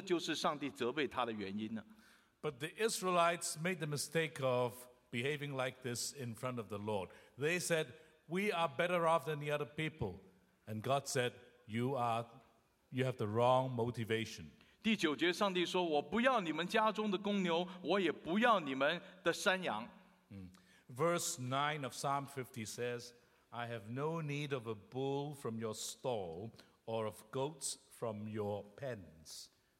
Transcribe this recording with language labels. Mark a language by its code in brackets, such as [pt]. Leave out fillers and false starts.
[zh] 但是以色列人这样的在富裕的中间，如果对着神同样说，我有优越感，我能够给你的话，这就是上帝责备他的原因了。 [en] But the Israelites made the mistake of behaving like this in front of the Lord. They said, we are better off than the other people. And God said, you have the wrong motivation. [zh] 第9节上帝说，我不要你们家中的公牛， 我也不要你们的山羊。 [en] Verse 9 of Psalm 50 says, I have no need of a bull from your stall or of goats from your pens.